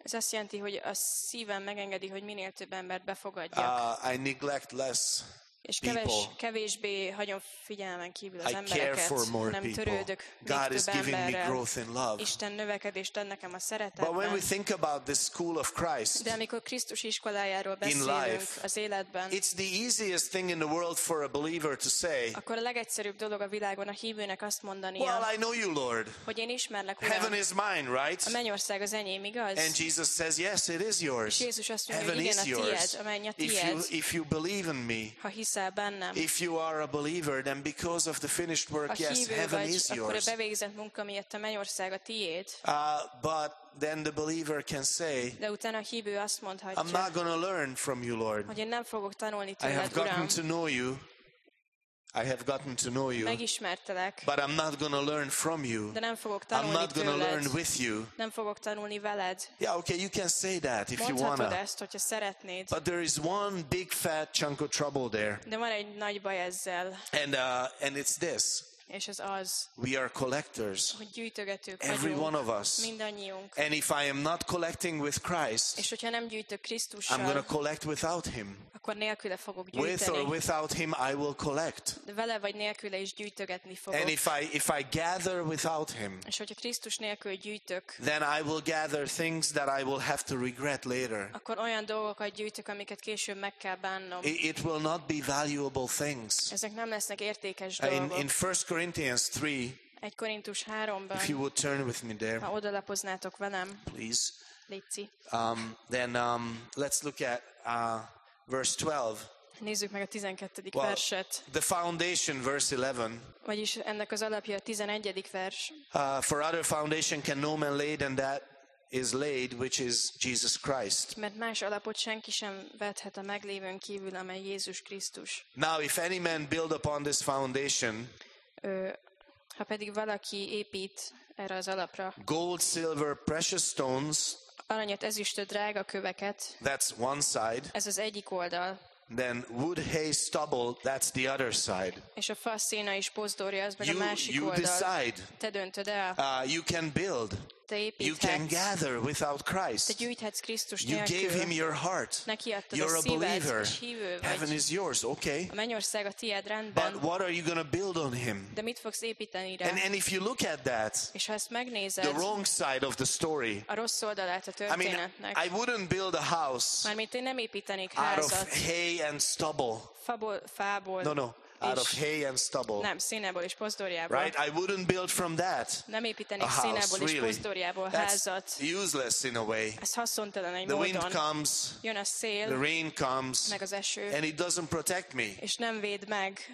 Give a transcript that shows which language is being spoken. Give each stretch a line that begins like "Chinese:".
Hungarian: Ez azt jelenti, hogy a szívem megengedi, hogy minél több embert befogadjak.
English: I neglect less.
Hungarian: És kevésbé hagyom figyelmen kívül az embereket, nem törődök
English: God
Hungarian: még több emberrel.
English: Me growth in love.
Hungarian: Isten növekedést ad nekem a szeretetben.
English: But when we think about the school of Christ,
Hungarian: de amikor Krisztus iskolájáról beszélünk
English: life,
Hungarian: az életben,
English: it's the easiest thing in the world for a believer to say.
Hungarian: Akkor a legegyszerűbb dolog a világon a hívőnek azt mondani.
English: Well, I know you, Lord.
Hungarian: Hogy én ismerlek, Uram.
English: Heaven is mine, right?
Hungarian: A mennyország az enyém, igaz?
English: And Jesus says, yes, it is yours.
Hungarian: És Jézus azt mondja, hogy igen, a tiéd, a menny a tiéd.
English: If you believe in me. If you are a believer, then because of the finished work, yes, heaven is yours.
Hungarian: A hívő vagy, akkor a bevégzett munka miatt a mennyország a tiéd.
English: But then the believer can say,
Hungarian: de utána a hívő azt mondhatja,
English: I'm not going to learn from you, Lord.
Hungarian: Hogy én nem fogok tanulni tőled,
English: I have gotten
Hungarian: Uram.
English: To know you. I have gotten to know you.
Hungarian: Megismertelek.
English: But I'm not going to learn from you.
Hungarian: De nem fogok tanulni tőled.
English: I'm not going to learn with you.
Hungarian: Nem fogok tanulni veled.
English: Yeah, okay, you can say that if
Hungarian: mondhatod
English: you want.
Hungarian: Mondhatod ezt, hogyha szeretnéd.
English: But there is one big fat chunk of trouble there.
Hungarian: De van egy nagy baj ezzel.
English: And it's this.
Hungarian: És ez az.
English: We are collectors.
Hungarian: Hogy gyűjtögetők vagyunk.
English: Every one of us.
Hungarian: Mindannyiunk.
English: And if I am not collecting with Christ.
Hungarian: És hogyha nem gyűjtök Krisztussal.
English: I'm going to collect without him.
Hungarian: Akkor nélküle fogok gyűjteni.
English: With or without him I will collect.
Hungarian: Vele vagy nélküle is gyűjtögetni fogok.
English: And if I gather without him.
Hungarian: És hogyha Krisztus nélkül gyűjtök.
English: Then I will gather things that I will have to regret later.
Hungarian: Akkor olyan dolgokat gyűjtök, amiket később meg kell bánnom.
English: It will not be valuable things.
Hungarian: Ezek nem lesznek értékes dolgok.
English: In 1 Corinthians 3.
Hungarian: Egy Korintus 3-ban.
English: If you would turn with me there.
Hungarian: Ha odalapoznátok velem.
English: Please.
Hungarian: Léci.
English: Then let's look at verse 12.
Hungarian: Nézzük meg a 12. verset.
English: The foundation, verse 11.
Hungarian: Vagyis ennek az alapja a 11. vers.
English: For other foundation can no man lay than that is laid, which is Jesus Christ.
Hungarian: Mert más alapot senki sem vethet a meglévőn kívül, amely Jézus Krisztus.
English: Now if any man build upon this foundation,
Hungarian: ha pedig valaki épít erre az alapra,
English: gold, silver, precious stones,
Hungarian: aranyat, ezüstöt, drága köveket,
English: that's one side,
Hungarian: ez az egyik oldal,
English: then wood, hay, stubble, that's the other side,
Hungarian: és a fa, széna és pozdória, az meg a másik oldal.
English: You decide.
Hungarian: Te döntöd el.
English: You can build. You can gather without Christ. You gave him your heart. You're a believer. Heaven is yours. Okay. But what are you going to build on him? And if you look at that, the wrong side of the story, I mean, I wouldn't build a house out of hay and stubble. No. Out of hay and stubble.
Hungarian: Nem, színeből és pozdorjából.
English: Right, I wouldn't build from that.
Hungarian: Nem építenék színeből és pozdorjából házat.
English: That's useless in a way.
Hungarian: Ez haszontalan egy módon.
English: The wind comes.
Hungarian: Jön a szél.
English: The rain comes.
Hungarian: Meg az eső.
English: And it doesn't protect me.
Hungarian: És nem véd meg.